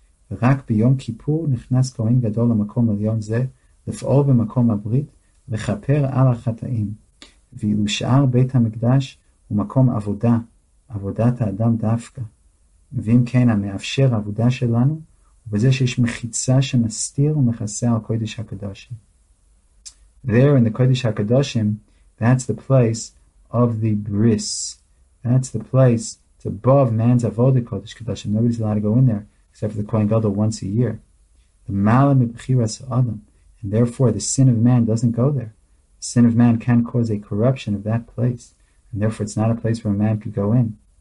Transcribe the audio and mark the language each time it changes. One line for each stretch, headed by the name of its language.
Hebrew: V'rak b'yom kippur nechnas kohen gadol l'makom elyon ze, לפעול במקום הברית, לחפר על החטאים, ואילו שאר בית המקדש הוא מקום עבודה, עבודת האדם דווקא. ואם כן, המאפשר עבודה שלנו, ובזה שיש מחיצה שמסתיר ומכסה על קודש הקדושים.
English: There in the קודש הקדושים, that's the place of the bris. That's the place, it's above man's עבודה קודש קדושים. Nobody's allowed to go in there, except for the Kohen Gadol once a year.
Hebrew: The מעלה מבחירת האדם.
English: And therefore, the sin of man doesn't go there. The sin of man can cause a corruption of that place. And therefore, it's not a place where a man could go in.